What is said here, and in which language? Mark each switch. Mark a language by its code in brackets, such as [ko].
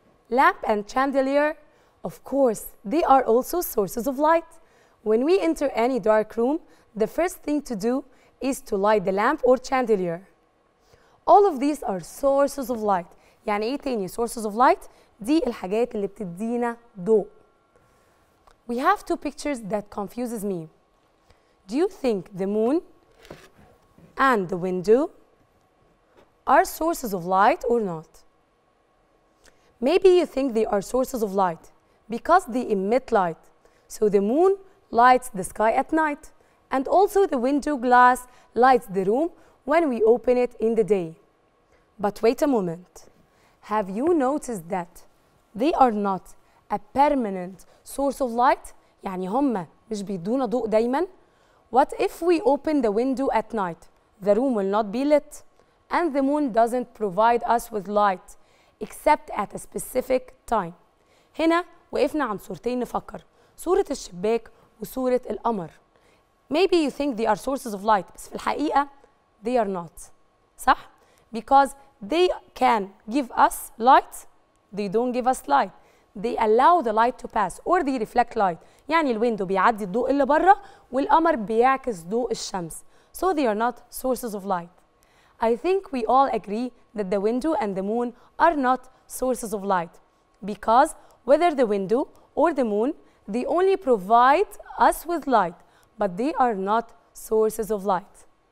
[en] Lamp and chandelier, of course, they are also sources of light. When we enter any dark room, the first thing to do is to light the lamp or chandelier. All of these are sources of light. [ar] يعني ايه تاني sources of light؟ دي الحاجات اللي بتدينا ضوء. [en] We have two pictures that confuses me. Do you think the moon and the window are sources of light or not? Maybe you think they are sources of light because they emit light. So the moon lights the sky at night and also the window glass lights the room when we open it in the day. But wait a moment. Have you noticed that they are not a permanent source of light? [ar] يعني هم مش بيدونا ضوء دايما. [en] What if we open the window at night? The room will not be lit and the moon doesn't provide us with light. Except at a specific time. [ar] هنا وقفنا عن صورتين نفكر. صورة الشباك وصورة القمر. [en] Maybe you think they are sources of light. [ar] بس في الحقيقة [en] they are not. [ar] صح؟ [en] Because they can give us light. They don't give us light. They allow the light to pass. Or they reflect light. [ar] يعني الويندو بيعدي الضوء اللي برا. والقمر بيعكس ضوء الشمس. [en] So they are not sources of light. I think we all agree that the window and the moon are not sources of light because whether the window or the moon, they only provide us with light, but they are not sources of light.